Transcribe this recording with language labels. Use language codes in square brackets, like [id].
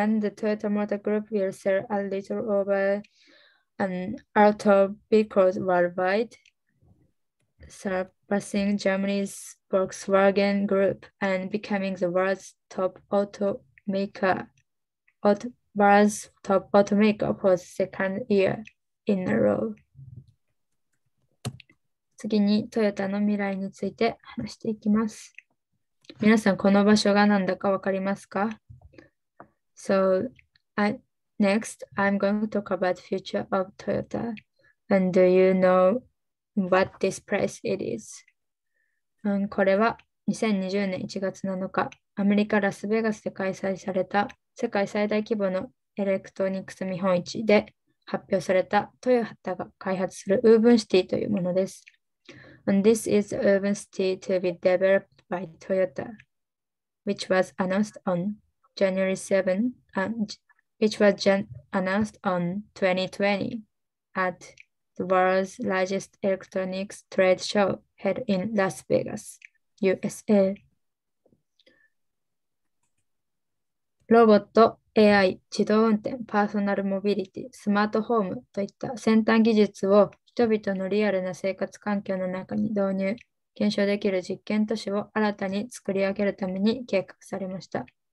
[en] Toyota Motor Group will sell a little over auto vehicles worldwide, surpassing Germany's Volkswagen Group and becoming the world's top automaker for the second year in a row. [ja] 次にトヨタの未来について話していきます。皆さんこの場所が何だか分かりますか? [en] So, next, I'm going to talk about the future of Toyota. And do you know what this place it is? [ja] これは2020年1月7日、アメリカ・ラスベガスで開催された世界最大規模のエレクトロニクス見本市で発表されたトヨタが開発するウーブンシティというものです。 [en] And this is the urban city to be developed by Toyota, which was announced on January 7, and which was announced on 2020 at the world's largest electronics trade show held in Las Vegas, USA. [ja] ロボット、AI、自動運転、パーソナルモビリティ、スマートホームといった先端技術を人々のリアルな生活環境の中に導入、検証できる実験都市を新たに作り上げるために計画されました。